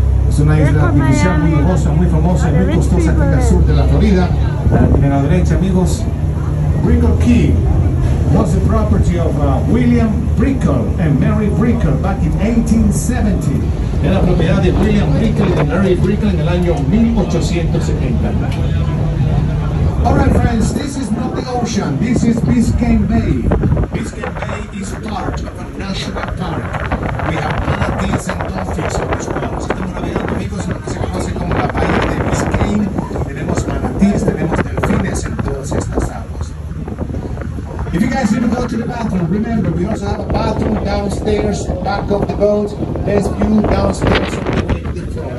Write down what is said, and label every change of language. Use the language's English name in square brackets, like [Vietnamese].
[Spanish] Es una isla artificial muy lujosa, muy famosa, muy costosa en el sur de la Florida. A la derecha, amigos, Brickell Key. [English] Was the property of William Brickell and Mary Brickell back in 1870. [Spanish] Era propiedad de William Brickell y de Mary Brickell en el año 1870. [English] All right, friends, this is not the ocean. This is Biscayne Bay. Biscayne Bay is part of a national park. We have manatees and dolphins on this one. [Spanish] Estamos navegando, amigos, en lo que se conoce como la bahía de Biscayne. Tenemos manatees, tenemos delfines en todas estas aguas. [English] If you guys need to go to the bathroom, remember we also have a bathroom downstairs, back of the boat, there's view downstairs on the floor.